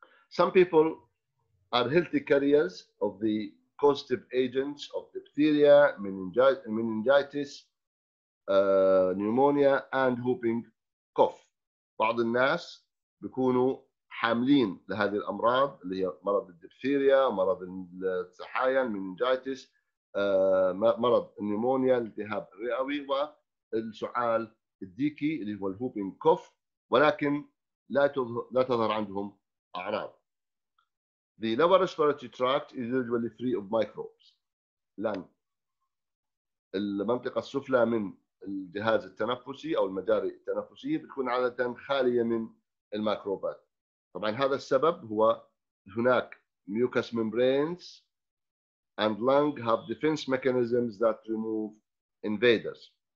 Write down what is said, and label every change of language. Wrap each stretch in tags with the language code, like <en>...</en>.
<en>Some people are healthy carriers of the causative agents of diphtheria, meningitis, pneumonia, and whooping cough.</en> <ar>بعض الناس بيكونوا حاملين لهذه الأمراض اللي هي مرض الدبثيريا، مرض التحايل، meningitis، مرض النيمونيا، التهاب الرئوي، والسعال الديكي اللي هو الهوبينج كوف، ولكن لا تظهر عندهم أعراض.</ar> <en>The lower respiratory tract is usually free of microbes.</en> <ar>لأن المنطقة السفلى من الجهاز التنفسي أو المجاري التنفسي بتكون عادة خالية من الميكروبات. طبعا هذا السبب هو هناك</ar> <en>mucous membranes and lung have defense mechanisms that remove invaders.</en>